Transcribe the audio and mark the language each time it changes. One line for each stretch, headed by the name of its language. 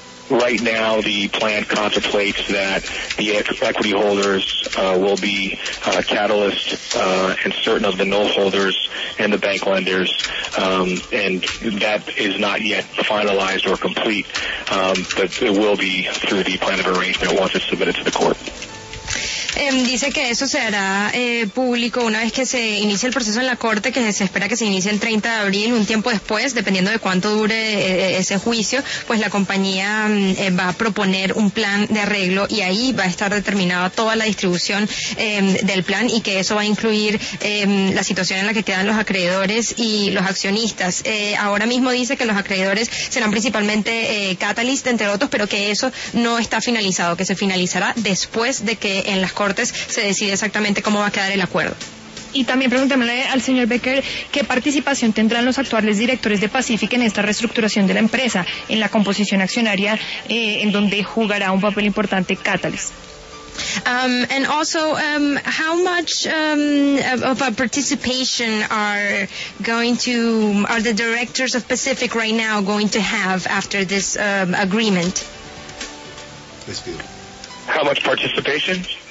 English: Right now, the plan contemplates that the equity holders will be Catalyst and certain of the note holders and the bank lenders, and that is not yet finalized or complete, but it will be through the plan of arrangement once it's submitted to the court.
Spanish: Dice que eso se hará público una vez que se inicie el proceso en la corte, que se espera que se inicie el 30 de abril, un tiempo después, dependiendo de cuánto dure ese juicio, pues la compañía va a proponer un plan de arreglo y ahí va a estar determinada toda la distribución del plan, y que eso va a incluir la situación en la que quedan los acreedores y los accionistas. Ahora mismo dice que los acreedores serán principalmente Catalyst, entre otros, pero que eso no está finalizado, que se finalizará después de que en las cortes se decide exactamente cómo va a quedar el acuerdo. Y también preguntémosle al señor Becker, ¿qué participación tendrán los actuales directores de Pacific en esta reestructuración de la empresa, en la composición accionaria, en donde jugará un papel importante Catalyst?
English: And also, how much of a participation are the directors of Pacific right now going to have after this agreement? How much participation?